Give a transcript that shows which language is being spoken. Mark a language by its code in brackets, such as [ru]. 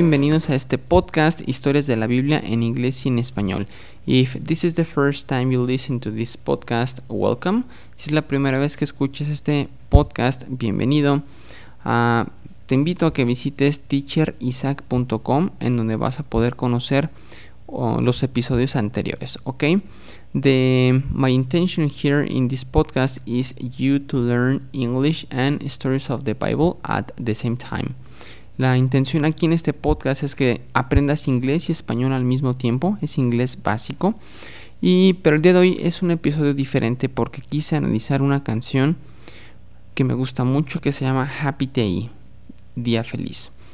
[es] Bienvenidos a este podcast, Historias de la Biblia en inglés y en español. [en] If this is the first time you listen to this podcast, welcome. [es] Si es la primera vez que escuchas este podcast, bienvenido. Te invito a que visites teacherisaac.com, en donde vas a poder conocer los episodios anteriores, ¿ok? [en] My intention here in this podcast is you to learn English and stories of the Bible at the same time. [es] La intención aquí en este podcast es que aprendas inglés y español al mismo tiempo. Es inglés básico. Pero el día de hoy es un episodio diferente porque quise analizar una canción que me gusta mucho que se llama Happy Day, Día Feliz.